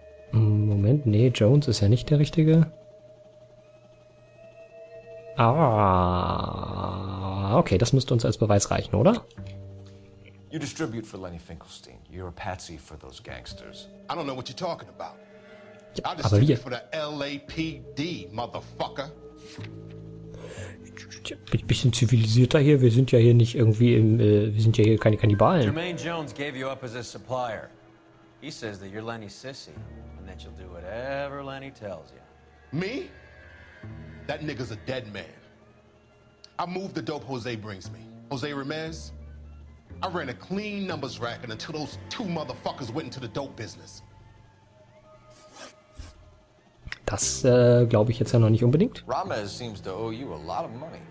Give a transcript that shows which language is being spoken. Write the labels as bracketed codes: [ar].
[de] Moment, nee, Jones ist ja nicht der Richtige. Ah, okay, das müsste uns als Beweis reichen, oder? [en] You distribute for Lenny Finkelstein. You're a patsy for those gangsters. I don't know what you're talking about. Ja, I distribute for the LAPD, motherfucker. [de] Ein bisschen zivilisierter hier. Wir sind ja hier nicht irgendwie im... wir sind ja hier keine Kannibalen. [en] Jermaine Jones gave you up as a supplier. He says that you're Lenny's sissy. And that you'll do whatever Lenny tells you. Me? That nigga's a dead man. I move the dope Jose brings me. Jose Ramirez? I ran a clean numbers racket until those two motherfuckers went into the dope business. [de] Das glaube ich jetzt ja noch nicht unbedingt. [en] Ramez seems to owe you a lot of money.